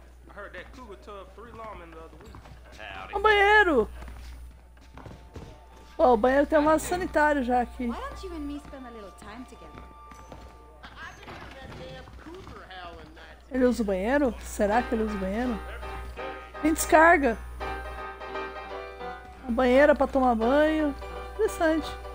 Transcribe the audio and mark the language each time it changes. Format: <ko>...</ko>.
<en>I heard that cougar tub three lawmen the other week. Howdy.</en> <pt>Um banheiro! Pô, o banheiro tem um vaso sanitário já aqui.</pt> <en>Why don't you and me spend a little time together?</en> <pt>Ele usa o banheiro? Será que ele usa o banheiro? Tem descarga. A banheira pra tomar banho. Interessante.</pt>